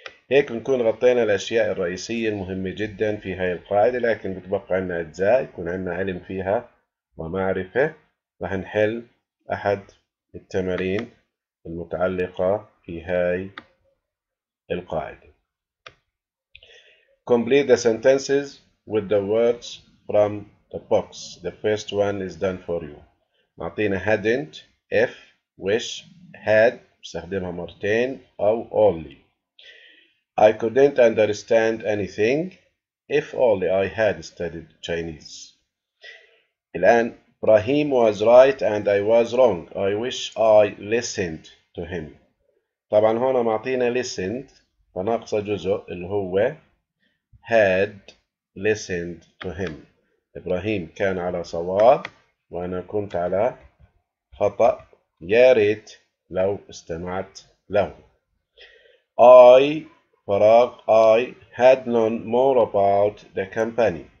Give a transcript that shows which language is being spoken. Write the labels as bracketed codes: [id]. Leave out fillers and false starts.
[ar] هيك نكون غطينا الأشياء الرئيسية المهمة جدا في هاي القاعدة، لكن بتبقى عنا أجزاء يكون عنا علم فيها ومعرفة. راح نحل أحد التمارين المتعلقة في هاي القاعدة. [en] Complete the sentences with the words from the box. The first one is done for you. [ar] معطينا hadn't، if، wish، had، استخدمها مرتين، أو only. [en] I couldn't understand anything if only I had studied Chinese. الآن Ibrahim was right and I was wrong. I wish I listened to him. [ar] طبعا هنا معطينا [en] listened [ar] فناقصة جزء اللي هو [en] had listened to him. [ar] إبراهيم كان على صواب وأنا كنت على خطأ. يا ريت لو استمعت له. [en] I فراغ I had known more about the company.